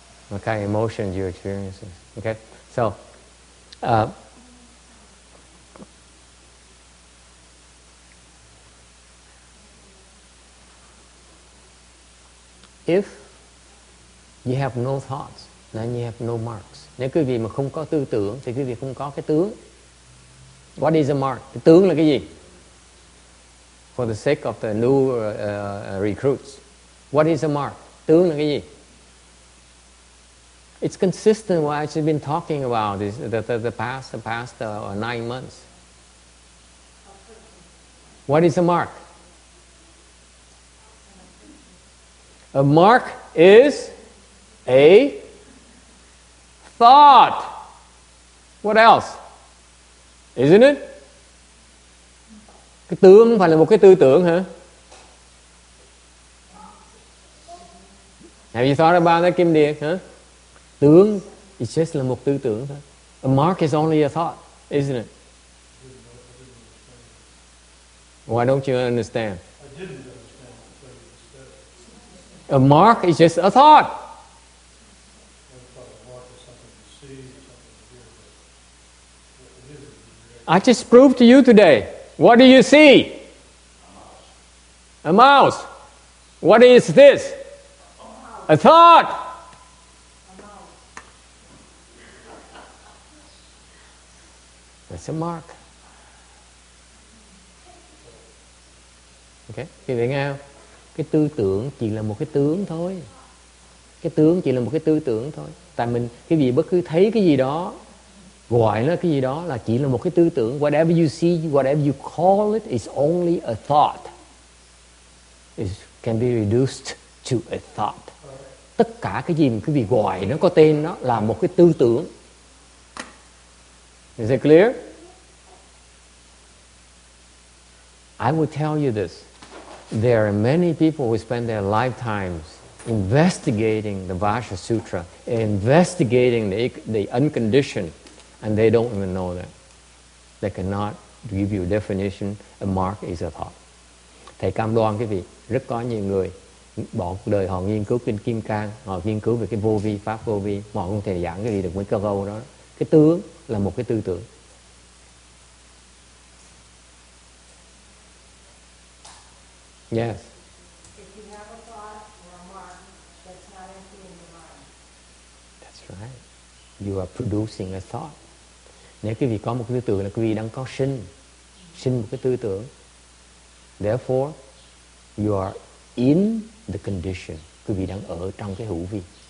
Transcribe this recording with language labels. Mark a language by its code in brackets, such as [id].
[en] What kind of emotions you're experiencing? Okay, so if you have no thoughts, then you have no marks. [vi] Nếu quý vị mà không có tư tưởng, thì quý vị không có cái tướng. [en] What is a mark? [vi] Cái tướng là cái gì? [en] For the sake of the new recruits, what is a mark? [vi] Tướng là cái gì? [en] It's consistent with what I've been talking about is the past 9 months. What is a mark? A mark is a thought. What else? Isn't it? [vi] Cái tướng phải là một cái tư tưởng, huh? [en] Have you thought about that, Kim Điền, huh? [vi] Tướng, [en] it's just [vi] là một tư tưởng thôi. [en] A mark is only a thought, isn't it? Why don't you understand? I didn't understand. A mark is just a thought. I just proved to you today. What do you see? A mouse. What is this? A thought. It's a mark. [vi] Ok, quý vị nghe không? Cái tư tưởng chỉ là một cái tướng thôi. Cái tướng chỉ là một cái tư tưởng thôi. Tại mình, cái gì bất cứ thấy cái gì đó, gọi nó cái gì đó là chỉ là một cái tư tưởng. [en] Whatever you see, whatever you call it, is only a thought. It can be reduced to a thought. [vi] Tất cả cái gì mà quý vị gọi nó có tên đó là một cái tư tưởng. [en] Is it clear? I will tell you this. There are many people who spend their lifetimes investigating the Vajra Sutra, investigating the unconditioned, and they don't even know that. They cannot give you a definition, a mark is a thought. [vi] Thầy cam đoan quý vị, rất có nhiều người bỏ đời họ nghiên cứu kinh Kim Cang, họ nghiên cứu về cái vô vi, pháp vô vi, họ không thể giảng cái gì được mấy câu đó. Cái tướng là một cái tư tưởng. [en] Yes. If you have a thought or a mark, that's not emptying the mind. That's right. You are producing a thought. [vi] Nếu quý vị có một cái tư tưởng là quý vị đang có sinh, sinh một cái tư tưởng. [en] Therefore, you are in the condition. [vi] Quý vị đang ở trong cái hữu vi.